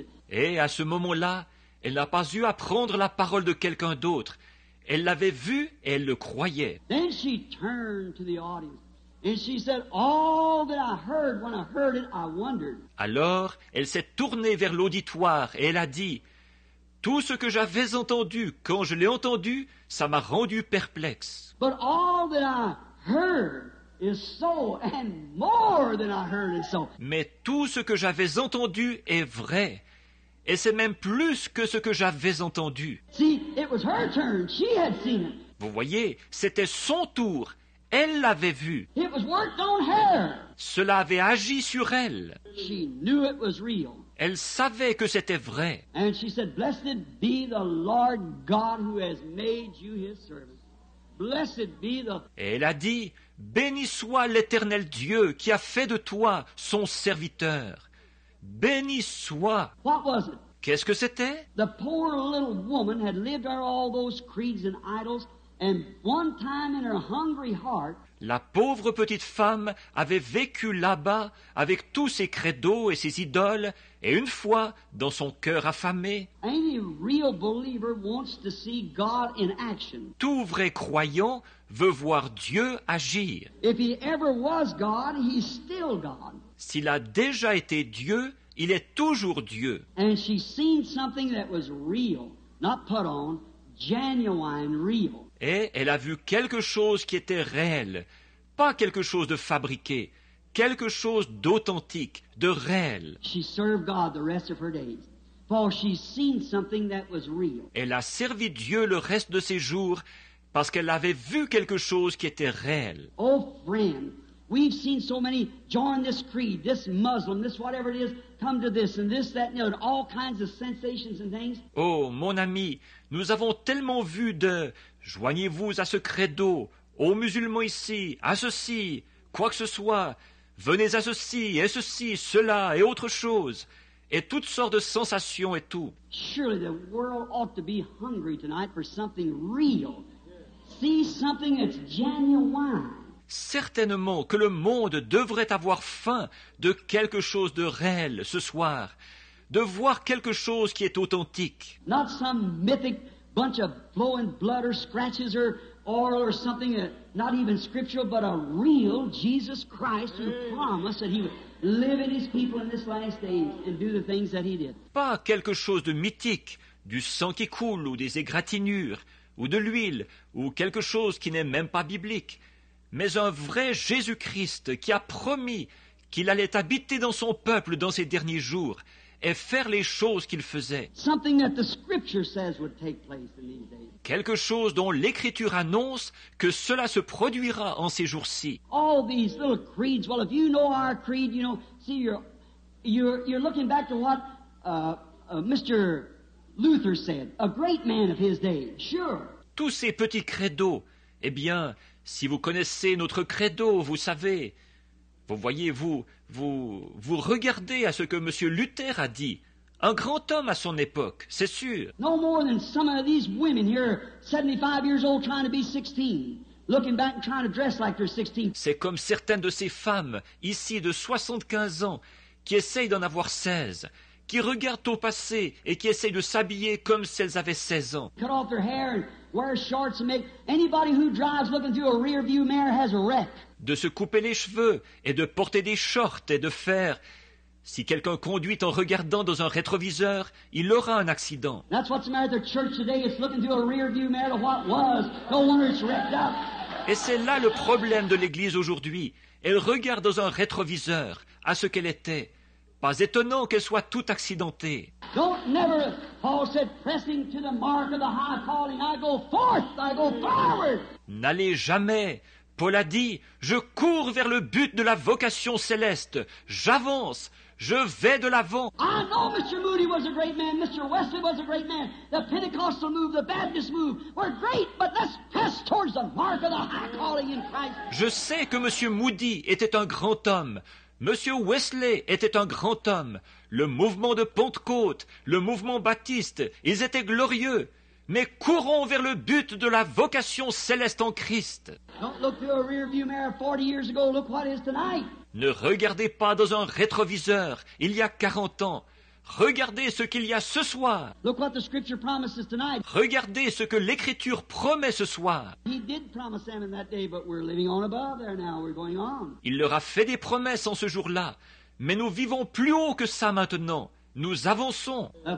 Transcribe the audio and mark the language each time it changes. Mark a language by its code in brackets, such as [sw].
[fr] Et à ce moment-là, elle n'a pas eu à prendre la parole de quelqu'un d'autre. Elle l'avait vu et elle le croyait. [en] Then she turned to the audience and she said, all that I heard when I heard it, I wondered. [fr] Alors, elle s'est tournée vers l'auditoire et elle a dit, tout ce que j'avais entendu quand je l'ai entendu, ça m'a rendu perplexe. [en] But all that I heard is so and more than I heard is so. [fr] Mais tout ce que j'avais entendu est vrai. Et c'est même plus que ce que j'avais entendu. [en] See, it was her turn. She had seen it. [fr] Vous voyez, c'était son tour. Elle l'avait vu. [en] It was worked on her. [fr] Cela avait agi sur elle. [en] She knew it was real. [fr] Elle savait que c'était vrai. [en] And she said, blessed be the Lord God who has made you his servant. Blessed be the... [fr] Et elle a dit, béni soit l'Éternel Dieu qui a fait de toi son serviteur. Béni soit. [en] What was it? [fr] Qu'est-ce que c'était? [en] The poor little woman had lived on all those creeds and idols, and one time in her hungry heart, [fr] la pauvre petite femme avait vécu là-bas avec tous ses credos et ses idoles, et une fois dans son cœur affamé. [en] Any real believer wants to see God in action. [fr] Tout vrai croyant veut voir Dieu agir. [en] If he ever was God, he's still God. [fr] S'il a déjà été Dieu, il est toujours Dieu. [en] And she seen something that was real, not put on, genuine, real. [fr] Et elle a vu quelque chose qui était réel, pas quelque chose de fabriqué, quelque chose d'authentique, de réel. [en] She served God the rest of her days, for she seen something that was real. [fr] Elle a servi Dieu le reste de ses jours parce qu'elle avait vu quelque chose qui était réel. [en] Oh friend, we've seen so many join this creed, this Muslim, this whatever it is, come to this and this, that, and all kinds of sensations and things. [fr] Oh mon ami, nous avons tellement vu de joignez-vous à ce credo, aux musulmans ici, à ceci, quoi que ce soit, venez à ceci, cela et autre chose, et toutes sortes de sensations et tout. [en] Surely the world ought to be hungry tonight for something real. See something that's genuine. [fr] Certainement que le monde devrait avoir faim de quelque chose de réel ce soir, de voir quelque chose qui est authentique. [en] Not some mythic bunch of flowing blood or scratches or oil or something, not even scriptural, but a real Jesus Christ who promised that he would live in his people in this last days and do the things that he did. [fr] Pas quelque chose de mythique, du sang qui coule ou des égratignures ou de l'huile ou quelque chose qui n'est même pas biblique, mais un vrai Jésus Christ qui a promis qu'il allait habiter dans son peuple dans ses derniers jours et faire les choses qu'il faisait. [en] Something that the scripture says would take place in these days. [fr] Quelque chose dont l'Écriture annonce que cela se produira en ces jours-ci. [en] All these little creeds, well, if you know our creed, you know, see, you're looking back to what Mr. Luther said, a great man of his day, sure. [fr] Tous ces petits credos, eh bien, si vous connaissez notre credo, vous savez, vous voyez, vous regardez à ce que M. Luther a dit, un grand homme à son époque, c'est sûr. [en] No more than some of these women here, 75 years old, trying to be 16, looking back and trying to dress like they're 16. [fr] C'est comme certaines de ces femmes, ici de 75 ans, qui essayent d'en avoir 16, qui regardent au passé et qui essayent de s'habiller comme si elles avaient 16 ans. [en] Cut off their hair and wear shorts and make anybody who drives looking through a rear view mirror has a wreck. [fr] De se couper les cheveux et de porter des shorts et de faire, si quelqu'un conduit en regardant dans un rétroviseur, il aura un accident. [en] That's what's the matter with the church today. It's looking through a rear view mirror of what was. No wonder it's wrecked up. [fr] Et c'est là le problème de l'Église aujourd'hui. Elle regarde dans un rétroviseur à ce qu'elle était. Pas étonnant qu'elle soit toute accidentée. [en] Don't never, Paul said, pressing to the mark of the high calling. I go forth, I go forward. [fr] N'allez jamais. Paul a dit, je cours vers le but de la vocation céleste. J'avance, je vais de l'avant. [en] I know Mr. Moody was a great man, Mr. Wesley was a great man. The Pentecostal move, the Baptist move were great, but let's press towards the mark of the high calling in Christ. [fr] Je sais que Monsieur Moody était un grand homme. Monsieur Wesley était un grand homme. Le mouvement de Pentecôte, le mouvement baptiste, ils étaient glorieux. Mais courons vers le but de la vocation céleste en Christ. [en] Don't look through a rear view mirror 40 years ago, look what is tonight. [fr] Ne regardez pas dans un rétroviseur il y a 40 ans. Regardez ce qu'il y a ce soir. [en] Look what the scripture promises tonight. [fr] Regardez ce que l'Écriture promet ce soir. [en] He did promise them in that day, but we're living on above there now, we're going on. [fr] Il leur a fait des promesses en ce jour-là, mais nous vivons plus haut que ça maintenant. Nous avançons.